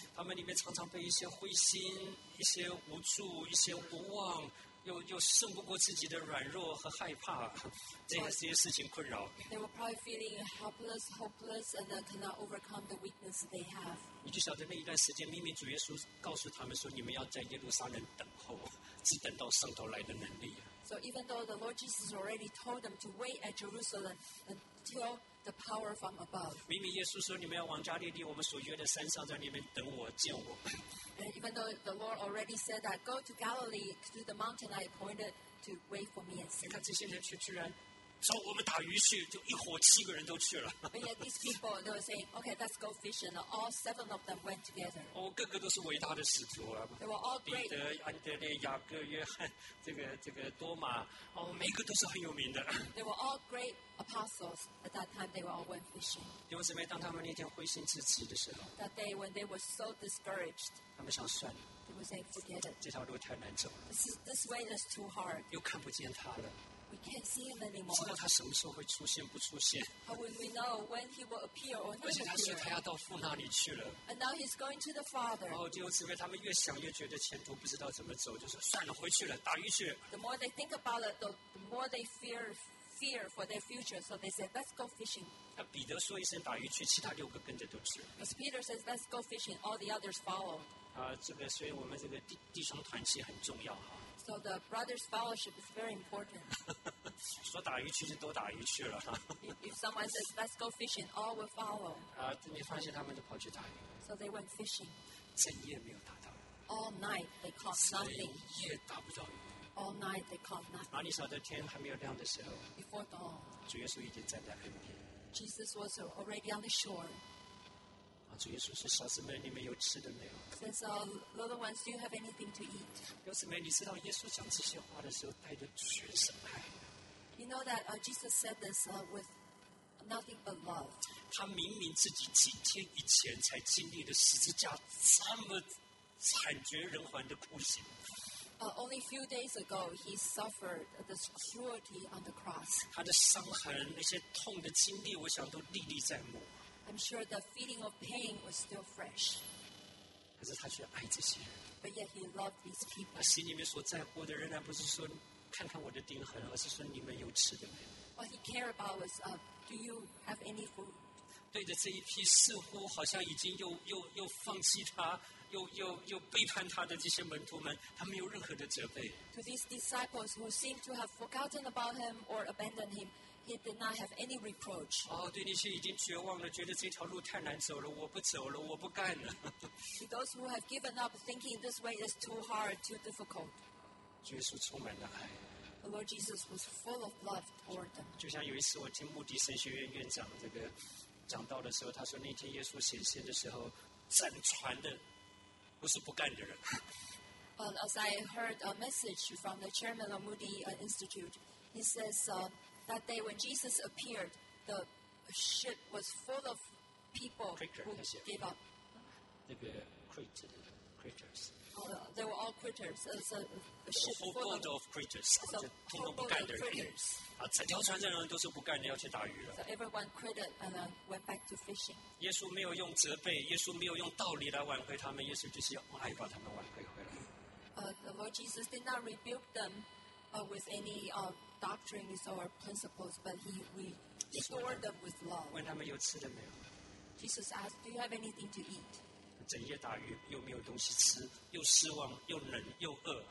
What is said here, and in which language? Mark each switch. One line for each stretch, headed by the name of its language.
Chinese: 他们里面常常被一些灰心、一些无助、一些无望，又胜不过自己的软弱和害怕，这些事情困扰。
English: They were probably feeling helpless, hopeless, and cannot overcome the weakness they have.
Chinese: 你就晓得那一段时间，明明主耶稣告诉他们说，你们要在耶路撒冷等候，只等到上头来的能力。
English: So even though the Lord Jesus already told them to wait at Jerusalem until the power from above.
Chinese: 明明耶稣说你们要往加利利我们所约的山上在那边等我见我。
English: And even though the Lord already said that, go to Galilee to the mountain I appointed to wait for me and see.
Chinese: 你看这些人却居然说我们打鱼去，就一伙七个人都去了。
English: But yet these people, they were saying, okay, let's go fishing. All 7 of them went together.
Chinese: 个个都是伟大的使徒啊。
English: They were all great.
Chinese: 彼得、安德烈、雅各、约翰、这个多马，每个都是很有名的。
English: They were all great apostles. At that time, they were all went fishing.
Chinese: 弟兄姊妹，当他们那天灰心自知的时候
English: ，That day when they were so discouraged.
Chinese: 他们想算了。
English: They were saying, forget it.
Chinese: 这条路太难走了。
English: This way is too hard.
Chinese: 又看不见他了。
English: We can't see him anymore.
Chinese: 知道他什么时候会出现不出现。
English: How will we know when he will appear or not appear?
Chinese: 而且他说他要到父那里去了。
English: And now he's going to the Father.
Chinese: 弟兄姊妹，他们越想越觉得前途不知道怎么走，就说算了，回去了，打鱼去。
English: The more they think about it, the more they fear for their future. So they said, let's go fishing.
Chinese: 那彼得说一声打鱼去，其他六个跟着都去了。
English: As Peter says, let's go fishing. All the others followed.
Chinese: 所以我们这个弟兄团契很重要哈。
English: So the brothers' fellowship is very important.
Chinese: 说打鱼去就都打鱼去了。
English: If someone says let's go fishing, all will follow.
Chinese: 你发现他们都跑去打鱼。
English: So they went fishing.
Chinese: 整夜没有打到。
English: All night they caught nothing.
Chinese: 整夜打不到鱼。
English: All night they caught nothing.
Chinese: 哪里晓得天还没有亮的时候。
English: Before dawn.
Chinese: 主耶稣已经站在岸边。
English: Jesus was already on the shore.
Chinese: 主耶稣说：“小姊妹，你们有吃的没有
English: ？”Says, little ones, do you have anything to eat?
Chinese: 小姊妹，你知道耶稣讲这些话的时候带着全什么爱
English: ？You know that Jesus said this with nothing but love.
Chinese: 他明明自己几天以前才经历了十字架这么惨绝人寰的酷刑。
English: Only a few days ago, he suffered the cruelty on the cross.
Chinese: 他的伤痕，那些痛的经历，我想都历历在目。
English: I'm sure the feeling of pain was still fresh.
Chinese: 可是他却爱这些人。
English: But yet he loved these people.
Chinese: 他心里面所在乎的仍然不是说看看我的钉痕，而是说你们有吃的没有。
English: What he cared about was, do you have any food?
Chinese: 对着这一批似乎好像已经又放弃他。又背叛他的这些门徒们，他没有任何的责备。
English: To these disciples who seem to have forgotten about him or abandoned him, he did not have any reproach.
Chinese: 哦，对那些已经绝望了，觉得这条路太难走了，我不走了，我不干了。
English: To those who have given up, thinking this way is too hard, too difficult.
Chinese: 耶稣充满了爱。
English: The Lord Jesus was full of love toward them.
Chinese: 就像有一次我听牧笛神学院院长这个讲道的时候，他说那天耶稣显现的时候，整船的。不是不干的人。
English: Well, as I heard a message from the chairman of Moody Institute, he says that day when Jesus appeared, the ship was full of people Critter, who gave up. 那个 creatures. They were all creatures. It's a ship full of creatures.
Chinese: 通通不干的人。啊，整条船上的人都是不干的，要去打鱼了。
English: So everyone quit it and went back to fishing.
Chinese: 耶稣没有用责备，耶稣没有用道理来挽回他们，耶稣就是用爱把他们挽回回来。
English: The Lord Jesus did not rebuke them, with any doctrines or principles, but he restored them with love.
Chinese: 问他们有吃的没有
English: ？Jesus asked, "Do you have anything to eat?"
Chinese: 整夜打鱼又没有东西吃，又失望又冷又饿。